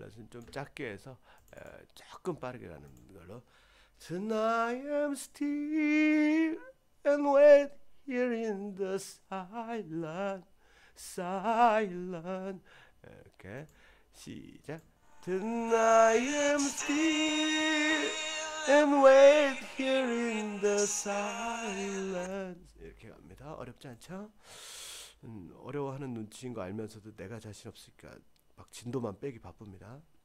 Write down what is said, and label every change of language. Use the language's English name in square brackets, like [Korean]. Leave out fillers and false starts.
[Korean] 좀 작게 해서 조금 빠르게 가는 걸로. [English] Then I am still and wait here in the silence, silence. [Korean] 이렇게 시작. [English] Then I am still and wait here in the silence. [Korean] 이렇게 갑니다. 어렵지 않죠? 어려워하는 눈치인 거 알면서도 내가 자신 없으니까 막 진도만 빼기 바쁩니다.